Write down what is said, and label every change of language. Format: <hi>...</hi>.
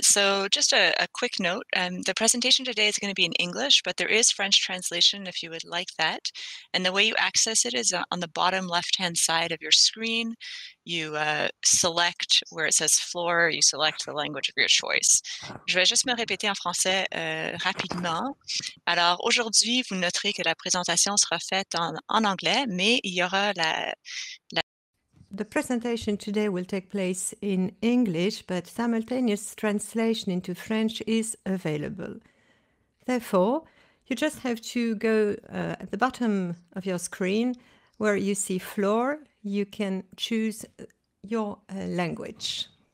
<en>So just a quick note, the presentation today is going to be in English, but there is French translation if you would like that. And the way you access it is on the bottom left-hand side of your screen. You select where it says floor, you select the language of your choice.</en> <fr>Je vais juste me répéter en français rapidement. Alors aujourd'hui, vous noterez que la présentation sera faite en anglais, mais il y aura la</fr> <en>The presentation today will take place in English, but simultaneous translation into French is available. Therefore, you just have to go at the bottom of your screen where you see floor, you can choose your language.</en>